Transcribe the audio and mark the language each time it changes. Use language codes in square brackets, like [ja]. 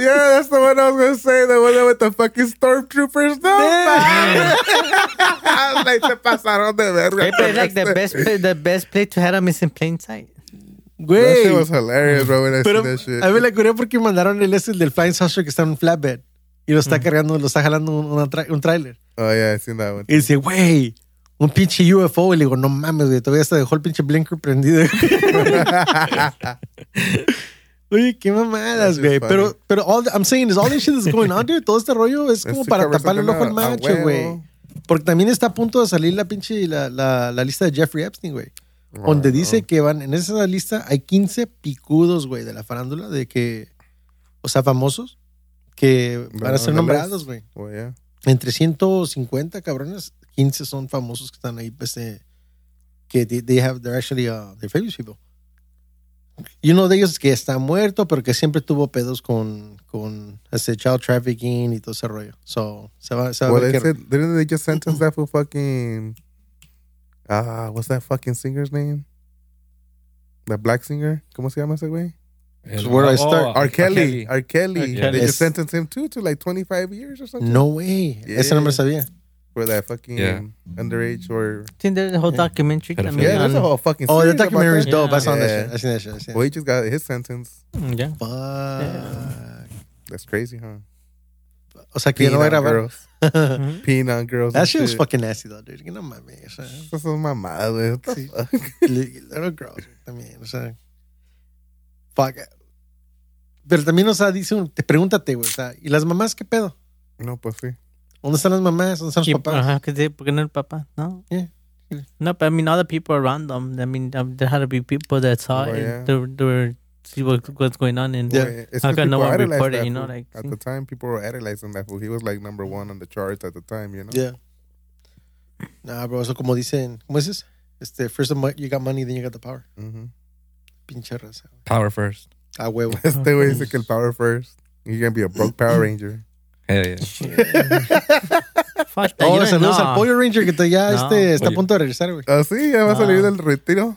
[en] Yeah, that's the one I was gonna say. The one with the fucking stormtroopers. No, man. [es] Yeah. Like, se pasaron de verga. [en] It's like the best play to have them is in plain sight. [es] Güey. [en] That shit was hilarious, bro, when I see that shit. [es] A mí la curé porque mandaron el del Flying Saucer que está en un flatbed. Y lo está cargando, lo está jalando un tráiler. [en] Oh, yeah, I seen that one. [es] Y dice, güey, un pinche UFO. Y le digo, no mames, güey, todavía se dejó el pinche blinker prendido. Oye, qué mamadas, güey. [en] Pero all I'm saying is all this shit that's going on, dude. [es] Todo este rollo es como para tapar el ojo al macho, güey. Porque también está a punto de salir la pinche, la lista de Jeffrey Epstein, güey. Donde dice que van, en esa lista hay 15 picudos, güey, de la farándula, de que, o sea, famosos. Que van a ser nombrados, güey. [en] Oh, yeah. [es] Entre 150 cabrones, 15 son famosos que están ahí, que [en] they're famous people. [es] Y uno de ellos es que está muerto, pero que siempre tuvo pedos con ese child trafficking y todo ese rollo. So, se va well, a ver. [en] Well, didn't they just sentence that for fucking, what's that fucking singer's name? The black singer? [es] ¿Cómo se llama ese güey? [en] So where do I start? R. Kelly. They just sentenced him to like 25 years or something. No way. Yeah. [es] Ese no me sabía. [en] For that fucking underage or... Think there's a whole documentary. Yeah, there's a whole fucking series. Oh, the documentary is dope. Yeah. I saw that shit. Well, he just got his sentence. Yeah. Fuck. That's crazy, huh? [es] O sea, que yo no voy a grabar. [en] Peen on girls. That shit was fucking nasty, though, dude. [es] No mames. Eso es mamada, güey. Sí. [en] Little girls, [es] también. O sea, fuck. Pero también, o sea, dice un, te pregúntate, güey. O sea, ¿y las mamás qué pedo? No, pues sí. ¿Dónde están las mamás? ¿Dónde están los papás? Ajá, que ¿por qué no el papá? No. [en] No, but I mean, all the people around them, I mean, there had to be people that saw see what's going on. And how can no one report it, you know? Like, at the time, people were analyzing that. He was like number one on the charts at the time, you know? Yeah. Nah, bro, [es] so como dicen, ¿cómo es eso? [en] Este, first of all, you got money, then you got the power. Mm-hmm. [es] Pinche raza. [en] Power first. [es] A huevo. Este güey dice que el power first. [en] You're going to be a broke Power Ranger. Hell yeah. Fuck that. [es] Oh, saludos al Power Ranger que ya está a punto de regresar, güey. Ah, sí, ya va a salir del retiro.